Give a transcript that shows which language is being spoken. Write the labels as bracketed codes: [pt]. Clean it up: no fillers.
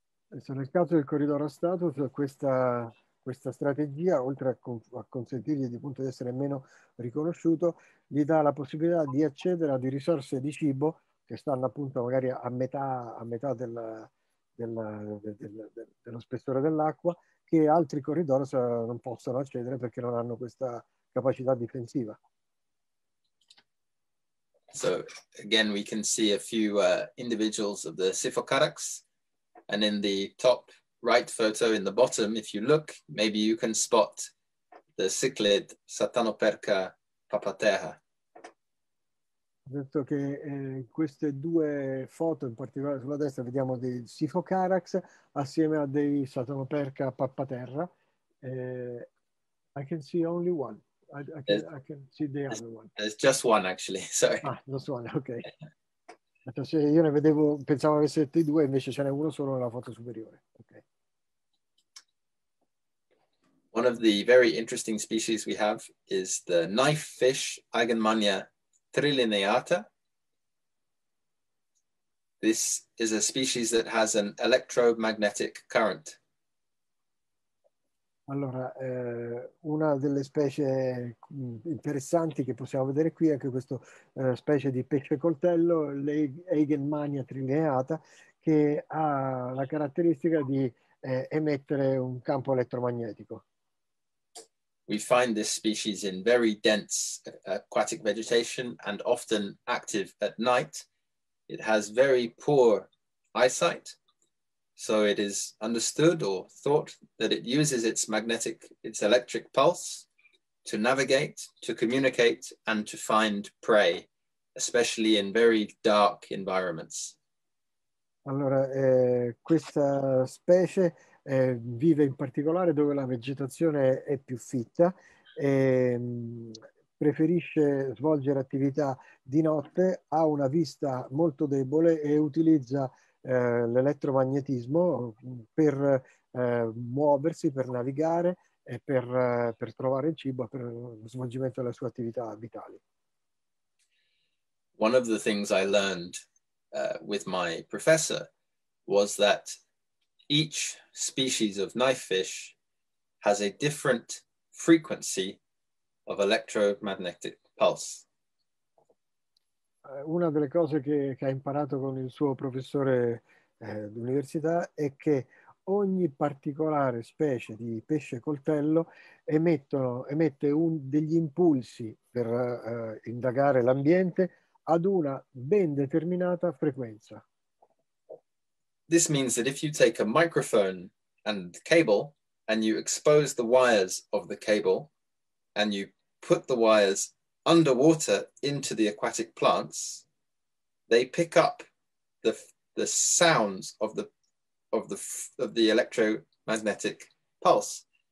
[it] Nel caso del Corydoras hastatus, questa strategia, oltre a consentirgli di punto di essere meno riconosciuto, gli dà la possibilità di accedere a di risorse di cibo che stanno appunto magari a metà dello spessore dell'acqua, che altri Corydoras non possono accedere perché non hanno questa capacità difensiva. [en] So again we can see a few individuals of the Siphocarax, and in the top right photo in the bottom, if you look, maybe you can spot the cichlid Satanoperca papatera. [it] Detto che queste due foto, in particolare sulla destra, vediamo dei Siphocarax assieme a dei Satanoperca pappaterra. [en] I can see only one. I can see the other one. There's just one, actually. Sorry. Ah, just one, okay. [it] Io ne vedevo, pensavo avesse detto due, invece ce n'è uno solo nella foto superiore. [en] Okay. One of the very interesting species we have is the knife fish Agenmania trilineata. This is a species that has an electromagnetic current. [it] Allora, una delle specie interessanti che possiamo vedere qui è anche questa specie di pesce coltello, l'Eigenmania trilineata, che ha la caratteristica di emettere un campo elettromagnetico. [en] We find this species in very dense aquatic vegetation and often active at night. It has very poor eyesight, so it is understood or thought that it uses its electric pulse to navigate, to communicate, and to find prey, especially in very dark environments. [it] Allora, questa specie vive in particolare dove la vegetazione è più fitta, preferisce svolgere attività di notte, ha una vista molto debole e utilizza l'elettromagnetismo per muoversi, per navigare e per trovare il cibo, per lo svolgimento delle sue attività vitali. [en] One of the things I learned with my professor was that each species of knifefish has a different frequency of electromagnetic pulse. [it] Una delle cose che ha imparato con il suo professore d'università è che ogni particolare specie di pesce coltello emette degli impulsi per indagare l'ambiente ad una ben determinata frequenza. [en] This means that if you take a microphone and cable and you expose the wires of the cable and you put the wires underwater into the aquatic plants, they pick up the sounds of the electromagnetic pulse.